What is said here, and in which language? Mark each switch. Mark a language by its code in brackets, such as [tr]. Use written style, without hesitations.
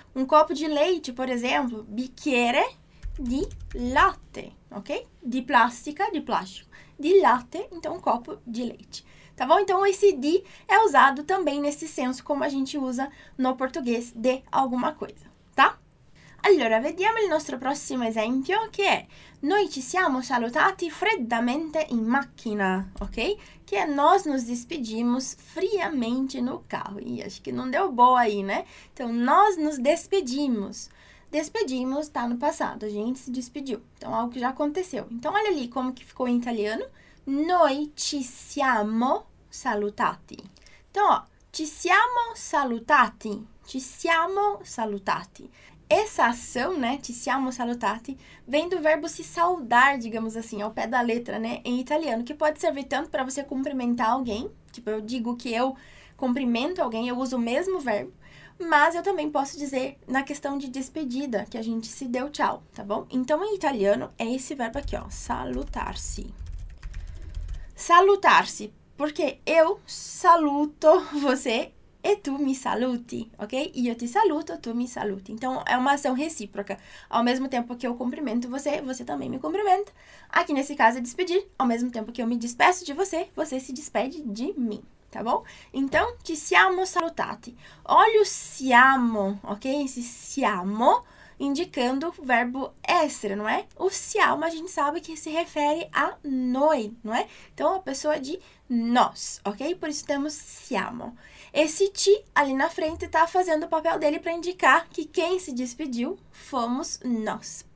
[pt] Um copo de leite, por exemplo, [it] bicchiere di latte, [pt] ok? Di plastica, di plástico. Di latte, então, copo de leite. Tá bom? Então, esse di é usado também nesse senso, como a gente usa no português de alguma coisa, tá? [it] Allora, vediamo il nostro prossimo esempio, che è: noi ci siamo salutati freddamente in macchina, ok? [pt] Que é: nós nos despedimos friamente no carro. E acho que não deu boa aí, né? Então, nós nos despedimos. Despedimos tá no passado, a gente se despediu. Então, algo que já aconteceu. Então, olha ali como que ficou em italiano: [it] noi ci siamo salutati. [pt] Então, ó, [it] ci siamo salutati. Ci siamo salutati. [pt] Essa ação, né, [it] ci siamo salutati, [pt] vem do verbo se saudar, digamos assim, ao pé da letra, né, em italiano, que pode servir tanto para você cumprimentar alguém, tipo, eu digo que eu cumprimento alguém, eu uso o mesmo verbo, mas eu também posso dizer na questão de despedida, que a gente se deu tchau, tá bom? Então, em italiano, é esse verbo aqui, ó, salutarsi. Salutarsi, porque eu saluto você. E [it] tu me saluti, [pt] ok? E eu te saluto, tu me saluti. Então, é uma ação recíproca. Ao mesmo tempo que eu cumprimento você, você também me cumprimenta. Aqui, nesse caso, é despedir. Ao mesmo tempo que eu me despeço de você, você se despede de mim, tá bom? Então, [it] ci siamo salutati. [pt] Olha o siamo, ok? Esse siamo indicando o verbo essere, não é? O siamo, a gente sabe que se refere a noi, não é? Então, a pessoa de nós, ok? Por isso temos siamo. Esse ti ali na frente está fazendo o papel dele para indicar que quem se despediu fomos nós.